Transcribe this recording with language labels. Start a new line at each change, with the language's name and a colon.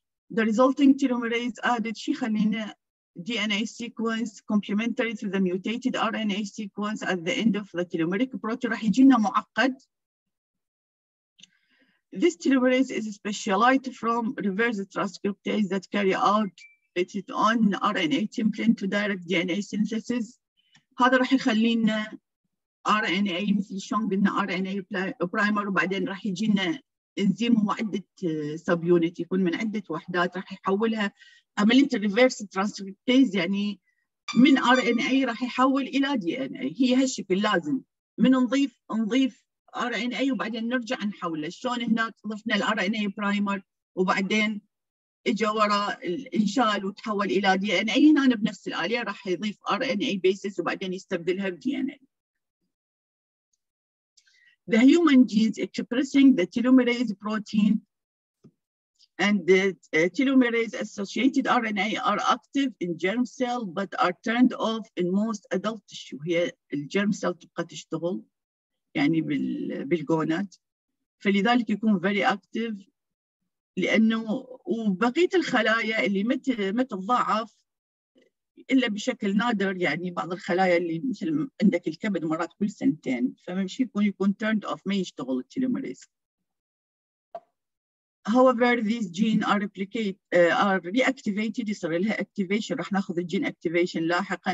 English: The resulting telomerase added
Arabic: شي خلينا
English: DNA sequence complementary to the mutated RNA sequence at the end of the telomeric protein.
Arabic: راح يجينا معقد.
English: This telomerase is specialized from reverse transcriptase that carry out its own RNA template to direct DNA synthesis.
Arabic: هذا راح يخلينا RNA مثل شلون قلنا RNA primer، وبعدين راح يجينا انزيم هو عدة subunit، يكون من عدة وحدات، راح يحولها عملية الريفيرس ترانسكريبتيز، يعني من RNA راح يحول إلى DNA. هي هالشكل لازم من نضيف RNA وبعدين نرجع نحوله. شلون هناك ضفنا RNA primer وبعدين إجا وراء الإنشال وتحول إلى DNA، هنا بنفس الآلية راح يضيف RNA basis وبعدين يستبدلها DNA.
English: The human genes expressing the telomerase protein and the telomerase-associated RNA are active in germ cell but are turned off in most adult tissue.
Arabic: هي الجيرم سيل تبقى تشتغل يعني بالجونات، فلذلك يكون
English: very active،
Arabic: لأنه وبقية الخلايا اللي ما تضاعف إلا بشكل نادر، يعني بعض الخلايا اللي مثل عندك الكبد مرات كل سنتين، فمش يكون
English: turned off،
Arabic: ما يشتغل التيلوميريز.
English: However, these genes are replicate are reactivated.
Arabic: يصير لها activation. رح نأخذ الجين activation لاحقا.